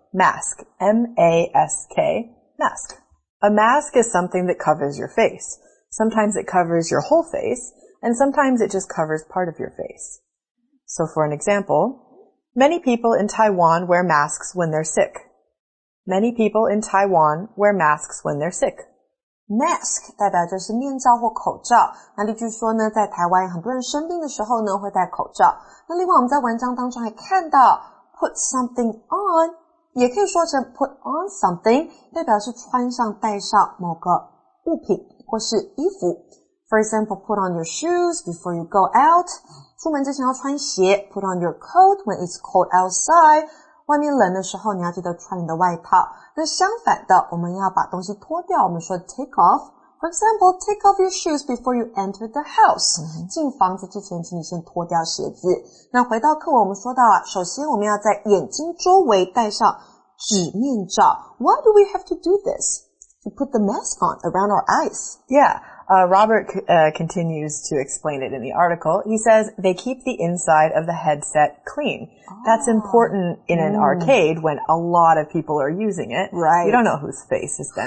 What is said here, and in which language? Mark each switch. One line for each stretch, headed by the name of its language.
English: Mask, M-A-S-K, mask. A mask is something that covers your face. Sometimes it covers your whole face, and sometimes it just covers part of your face. So for an example, many people in Taiwan wear masks when they're sick. Many people in Taiwan wear masks when they're sick.
Chinese: Mask 代表就是面罩或口罩。那例句说呢，在台湾很多人生病的时候呢，会戴口罩。那另外我们在文章当中还看到
English: put something on，
Chinese: 也可以说成
English: put on something，
Chinese: 代表是穿上、戴上某个物品或是衣服。
English: For example, put on your shoes before you go out.
Chinese: 出门之前要穿鞋。
English: Put on your coat when it's cold outside.
Chinese: 外面冷的时候你要记得穿你的外套。那相反的，我们要把东西脱掉，我们说 take off.
English: For example, take off your shoes before you enter the house.
Chinese: 进房子之前请你先脱掉鞋子。那回到课文，我们说到了，首先我们要在眼睛周围戴上纸面罩。
English: Why do we have to do this? To put the mask on around our eyes. Yeah, Robert continues to explain it in the article. He says they keep the inside of the headset clean. That's important in an arcade when a lot of people are using it. Right. You don't know whose face is then